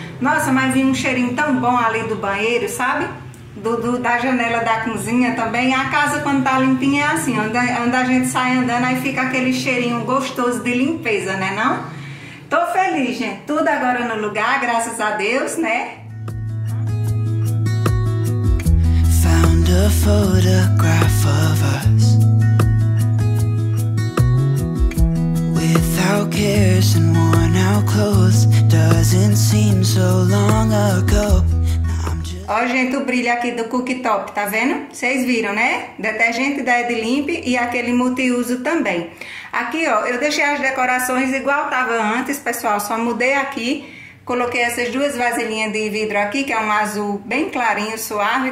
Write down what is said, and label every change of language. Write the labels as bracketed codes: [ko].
[pt] Nossa, mas vi um cheirinho tão bom ali do banheiro, sabe? Da janela da cozinha também. A casa, quando tá limpinha, é assim. Onde a gente sai andando, aí fica aquele cheirinho gostoso de limpeza, né não? Tô feliz, gente. Tudo agora no lugar, graças a Deus, né? [en] Found a photograph of us without cares and worn out clothes. Doesn't seem so long ago. [pt] Ó, gente, o brilho aqui do cooktop, tá vendo? Vocês viram, né? Detergente da Edlimp e aquele multiuso também. Aqui, ó, eu deixei as decorações igual tava antes, pessoal. Só mudei aqui. Coloquei essas duas vasilhinhas de vidro aqui, que é um azul bem clarinho, suave.